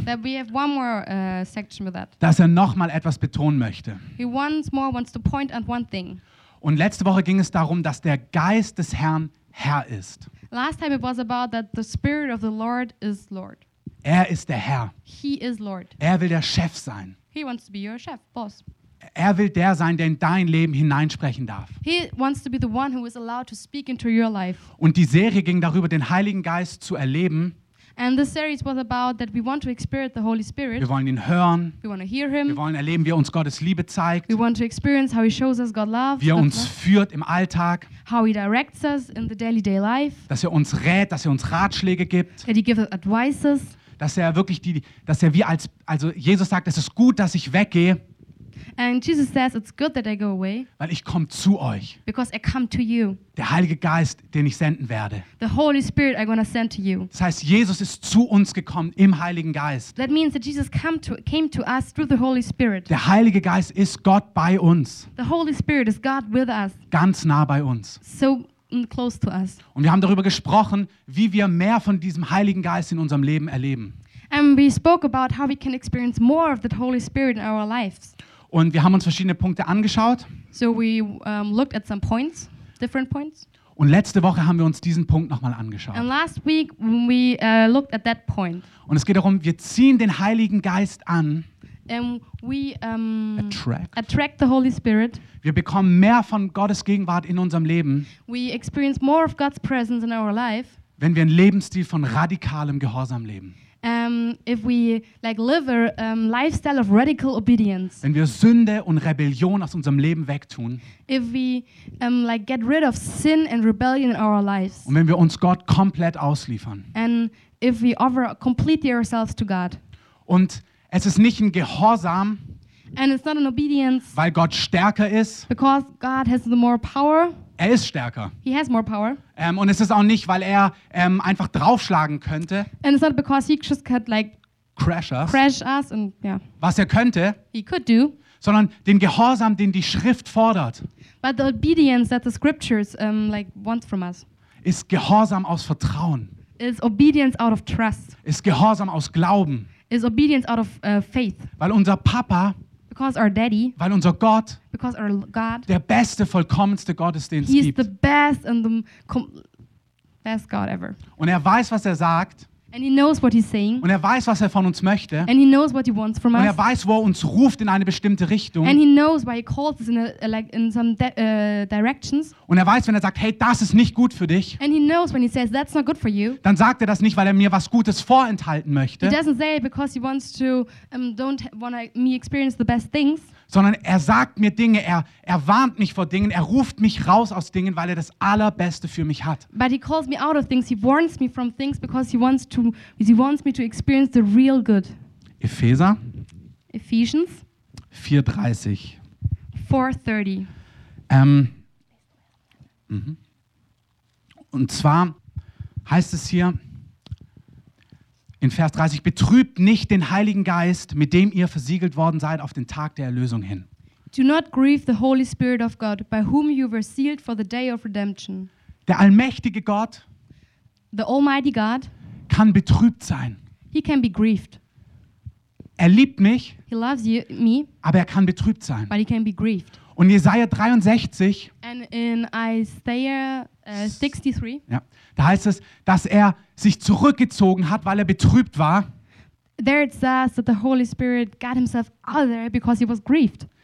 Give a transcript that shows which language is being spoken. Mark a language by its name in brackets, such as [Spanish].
[English] That we have one more, section with that. [German] Dass er nochmal etwas betonen möchte. [English] He once more wants to point at one thing. [German] Und letzte Woche ging es darum, dass der Geist des Herrn Herr ist. [English] Last time it was about that the Spirit of the Lord is Lord. [German] Er ist der Herr. [English] He is Lord. [German] Er will der Chef sein. [English] He wants to be your chef, boss. [German] Er will der sein, der in dein Leben hineinsprechen darf. [English] He wants to be the one who is allowed to speak into your life. [German] Und die Serie ging darüber, den Heiligen Geist zu erleben. [English] And this series was about that we want to experience the Holy Spirit. [German] Wir wollen ihn hören. [English] We want to hear him. [German] Wir wollen erleben, wie er uns Gottes Liebe zeigt. [English] We want to experience how he shows us God's love. [German] Wie er uns führt im Alltag. [English] How he directs us in the daily day life. [German] Dass er uns rät, dass er uns Ratschläge gibt. [English] That he gives advices. [German] Dass er wirklich die, dass er wie als, also Jesus sagt, es ist gut, dass ich weggehe. [English] And Jesus says, it's good that I go away. [German] Weil ich komme zu euch. [English] Because I come to you. [German] Der Heilige Geist, den ich senden werde. [English] The Holy Spirit I'm gonna send to you. [German] Das heißt, Jesus ist zu uns gekommen im Heiligen Geist. [English] That means that Jesus came to us through the Holy Spirit. [German] Der Heilige Geist ist Gott bei uns. [English] The Holy Spirit is God with us. [German] Ganz nah bei uns. [English] So close to us. [German] Und wir haben darüber gesprochen, wie wir mehr von diesem Heiligen Geist in unserem Leben erleben. [English] And we spoke about how we can experience more of the Holy Spirit in our lives. [German] Und wir haben uns verschiedene Punkte angeschaut. [English] So we looked at some points, different points. [German] Und letzte Woche haben wir uns diesen Punkt nochmal angeschaut. [English] And last week we looked at that point. [German] Und es geht darum, wir ziehen den Heiligen Geist an. [English] And we attract the Holy Spirit. [German] Wir bekommen mehr von Gottes Gegenwart in unserem Leben. [English] We experience more of God's presence in our life. [German] Wenn wir einen Lebensstil von radikalem Gehorsam leben. [English] If we like live a lifestyle of radical obedience, [German] wenn wir Sünde und Rebellion aus unserem Leben wegtun, [English] if we like get rid of sin and rebellion in our lives, [German] und wenn wir uns Gott komplett ausliefern, [English] and if we offer completely ourselves to God, [German] und es ist nicht ein Gehorsam, [English] and it's not an obedience, [German] weil Gott stärker ist, [English] because God has the more power. [German] Er ist stärker. [English] He has more power. [German] Und es ist auch nicht, weil er einfach draufschlagen könnte. [English] And it's not because he just could like crash us and yeah. [German] Was er könnte. [English] He could do. [German] Sondern den Gehorsam, den die Schrift fordert. [English] But the obedience that the scriptures like wants from us. [German] Ist Gehorsam aus Vertrauen. [English] Is obedience out of trust. [German] Ist Gehorsam aus Glauben. [English] Is obedience out of faith. [German] Weil unser Papa. [English] Because our daddy, [German] weil unser Gott, [English] because our God, [German] der beste, vollkommenste Gott ist, den es gibt. [English] He is the best and the best God ever. [German] Und er weiß, was er sagt. [English] And he knows what he's saying. [German] Und er weiß, was er von uns möchte. [English] And he knows what he wants from [German] und [English] us. [German] Und er weiß, wo er uns ruft in eine bestimmte Richtung. [English] And he knows why he calls us in a, like in some directions. [German] Und er weiß, wenn er sagt, hey, das ist nicht gut für dich. [English] And he knows when he says that's not good for you. [German] Dann sagt er das nicht, weil er mir was Gutes vorenthalten möchte. [English] He doesn't say it because he wants to don't want me experience the best things. [German] Sondern er sagt mir Dinge, er warnt mich vor Dingen, er ruft mich raus aus Dingen, weil er das Allerbeste für mich hat. [English] But he calls me out of things, he warns me from things because he wants me to experience the real good. [German] Epheser. [English] Ephesians. 4:30. 4:30. [German] Und zwar heißt es hier in Vers 30, betrübt nicht den Heiligen Geist, mit dem ihr versiegelt worden seid auf den Tag der Erlösung hin. [English] Do not grieve the Holy Spirit of God, by whom you were sealed for the day of redemption. [German] Der allmächtige Gott, [English] the Almighty God, [German] kann betrübt sein. [English] He can be grieved. [German] Er liebt mich. [English] He loves you, me. [German] Aber er kann betrübt sein. [English] But he can be grieved. [German] Und Jesaja 63. [English] And in Isaiah 63. [German] Ja, da heißt es, dass er sich zurückgezogen hat, weil er betrübt war. [English] There it says that the Holy Spirit got himself out there because he was grieved.